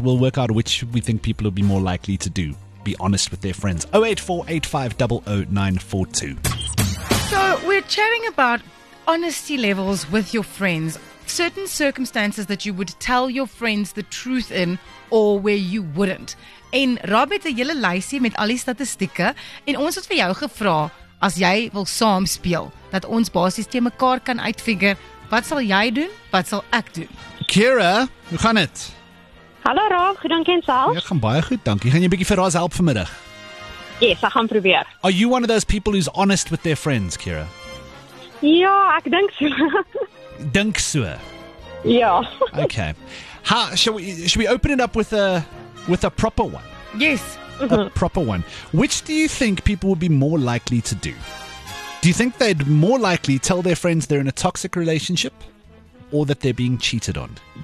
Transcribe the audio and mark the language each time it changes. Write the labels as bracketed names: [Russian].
[English] We'll work out which we think people will be more likely to do. Be honest with their friends. 0848500942. So we're chatting about honesty levels with your friends. Certain circumstances that you would tell your friends the truth in, or where you wouldn't. [Afrikaans] En Rob het 'n hele lysie met al die statistieke, en ons het vir jou gevra, as jy wil saam speel, dat ons basies te mekaar kan uitfigure, wat sal jy doen, wat sal ek doen? Kira, hoe gaan dit? Hallo Rob, goed, dankie en self? Ja, gaan baie goed, dankie. Gaan jy 'n bietjie vir Roz help vanmiddag? Yes, ek gaan probeer. [English] Are you one of those people who's honest with their friends, Kira? [Afrikaans] Ja, ek dink so. Dink so. Ja. [English] Okay. How should we open it up with a proper one? Yes. A proper one. Which do you think people would be more likely to do? Do you think they'd more likely tell their friends they're in a toxic relationship or that they're being cheated on?